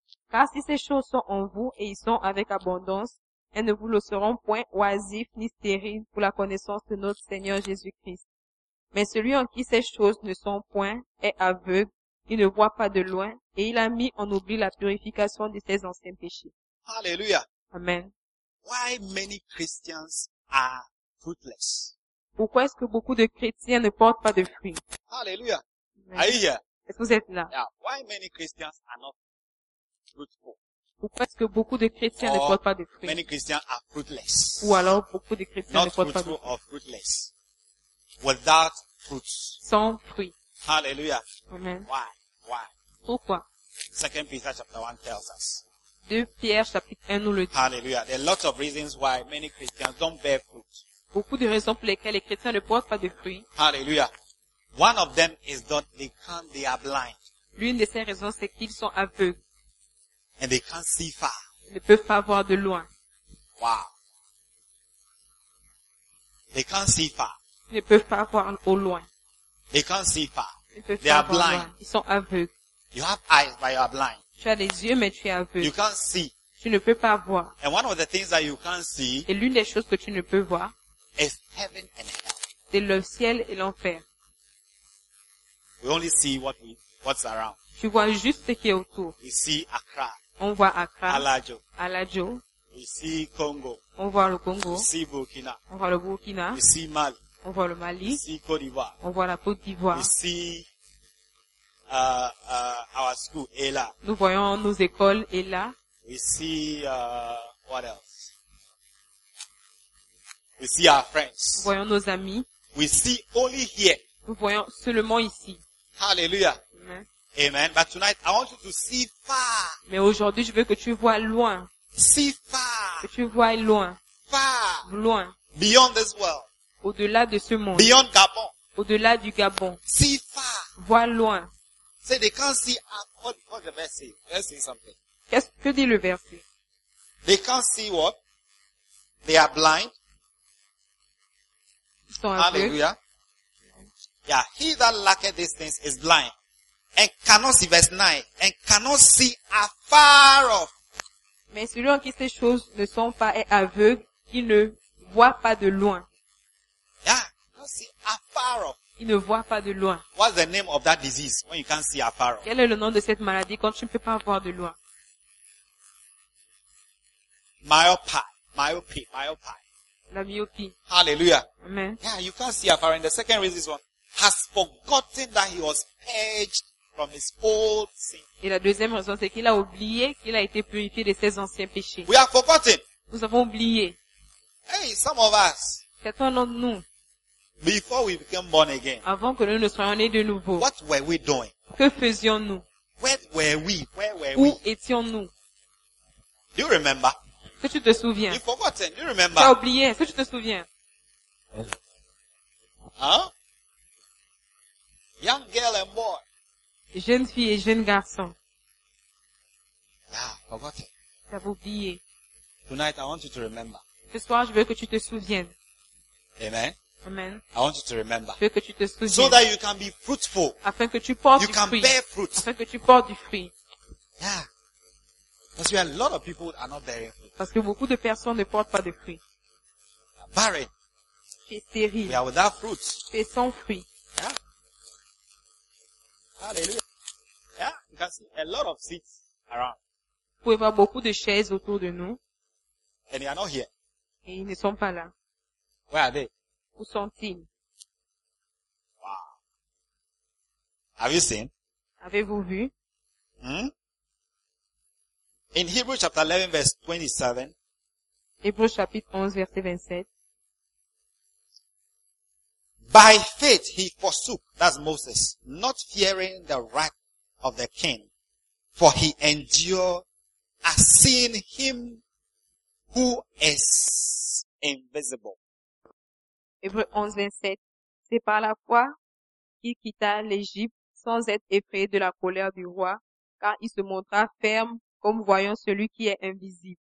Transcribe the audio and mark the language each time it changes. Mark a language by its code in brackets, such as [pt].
[fr] Car si ces choses sont en vous et y sont avec abondance, elles ne vous le seront point oisives ni stériles pour la connaissance de notre Seigneur Jésus-Christ. Mais celui en qui ces choses ne sont point est aveugle, il ne voit pas de loin, et il a mis en oubli la purification de ses anciens péchés. Alléluia. Amen. [en] Why many Christians are fruitless? [fr] Pourquoi est-ce que beaucoup de chrétiens ne portent pas de fruits? [en] Alléluia. Are you here? [fr] Est-ce que vous êtes là? [en] Yeah. Why many Christians are not fruitful? [fr] Pourquoi est-ce que beaucoup de chrétiens ne portent pas de fruits? [en] Many Christians are fruitless. [fr] Ou alors beaucoup de chrétiens ne portent pas de fruits? [en] Not fruitful or fruitless. Without fruits. [fr] Sans fruits. Alléluia. Amen. [en] Why? Why? [fr] Pourquoi? [en] 2 Peter chapter 1 tells us. [fr] 2 Pierre chapitre 1 nous le dit. Alléluia. [en] There are lots of reasons why many Christians don't bear fruit. [fr] Beaucoup de raisons pour lesquelles les chrétiens ne portent pas de fruits. Alléluia. [en] One of them is that they can't, they are blind. [fr] L'une de ces raisons, c'est qu'ils sont aveugles. [en] And they can't see far. [fr] Ils ne peuvent pas voir de loin. [en] Wow. They can't see far. [fr] Ils ne peuvent pas voir au loin. [en] They can't see far. They are blind. [fr] Ils sont aveugles. [en] You have eyes, but you are blind. [fr] Tu as des yeux, mais tu es aveugle. [en] You can't see. [fr] Tu ne peux pas voir. [en] And one of the things that you can't see. [fr] Et l'une des choses que tu ne peux voir. [en] Is heaven and hell. [fr] C'est le ciel et l'enfer. [en] We only see what's around. [fr] Tu vois juste ce qui est autour. [en] We see Accra. [fr] On voit Accra. Alajo. Alajo. [en] We see Congo. [fr] On voit le Congo. [en] We see Burkina. [fr] On voit le Burkina. [en] We see Mali. [fr] On voit le Mali. [en] We see Côte d'Ivoire. [fr] On voit la Côte d'Ivoire. [en] We see our school, Ela. [fr] Nous voyons nos écoles, Ela. [en] We see what else? We see our friends. [fr] Nous voyons nos amis. [en] We see only here. [fr] Nous voyons seulement ici. [en] Hallelujah. Amen. Amen. But tonight I want you to see far. [fr] Mais aujourd'hui je veux que tu vois loin. [en] See far. [fr] Que tu vois loin. [en] Far. [fr] Loin. [en] Beyond this world. [fr] Au-delà de ce monde. [en] Beyond Gabon. [fr] Au-delà du Gabon. [en] See far. [fr] Vois loin. [en] Say they can't see what the verse say. Let's say something. [fr] Qu'est-ce que dit le verset? [en] They can't see what? They are blind. [fr] Ils sont [en] Hallelujah. Yeah, he that lacketh these things is blind and cannot see, verse 9, and cannot see afar off. [fr] Mais celui en qui ces choses ne sont pas est aveugle, qui ne voit pas de loin. [en] Yeah, cannot see afar off. [fr] Il ne voit pas de loin. [en] What's the name of that disease when you can't see afar off? [fr] Quel est le nom de cette maladie quand tu ne peux pas voir de loin? Myopie. La myopie. [en] Hallelujah. Amen. Yeah, you can't see afar off. And the second reason is what? Has forgotten that he was purged from his old sin. [fr] Et la deuxième raison, c'est qu'il a oublié qu'il a été purifié de ses anciens péchés. [en] We have forgotten. [fr] Nous avons oublié. [en] Hey, some of us. [fr] Certains d'entre nous. [en] Before we became born again. [fr] Avant que nous ne soyons nés de nouveau. [en] What were we doing? [fr] Que faisions-nous? [en] Where were we? [fr] Où étions-nous? [en] Do you remember? [fr] Est-ce que tu te souviens? [en] You forgotten. Do you remember? [fr] Tu as oublié. Est-ce que tu te souviens? [en] Hein? Young girl and boy. [fr] Jeune fille et jeune garçon. [en] Yeah, forgotten. [fr] T'as oublié. [en] Tonight, I want you to remember. [fr] Ce soir, je veux que tu te souviennes. [en] Amen. Amen. I want you to remember. [fr] Je veux que tu te souviennes. [en] So that you can be fruitful. [fr] Afin que tu portes [en] you [fr] du fruit. [en] You can bear fruit. [fr] Afin que tu portes du fruit. [en] Yeah. Because a lot of people are not bearing fruit. [fr] Parce que beaucoup de personnes ne portent pas de fruit. [en] Barren. [fr] qui est stérile. [en] We are without fruit. [fr] Qui est sans fruit. [en] Yeah. [fr] Alléluia. [en] Yeah, you can see a lot of seats around. [fr] Vous pouvez voir beaucoup de chaises autour de nous. [en] And they are not here. [fr] Et ils ne sont pas là. [en] Where are they? [fr] Où sont-ils? [en] Wow. Have you seen? [fr] Avez-vous vu? [en] Hmm? In Hebrews chapter 11, verse 27. [fr] Hébreux chapitre 11, verset 27. [en] By faith he forsook, that's Moses, not fearing the wrath of the king, for he endured as seeing him who is invisible. [fr] Hébreux 11, 27. C'est par la foi qu'il quitta l'Égypte sans être effrayé de la colère du roi, car il se montra ferme comme voyant celui qui est invisible.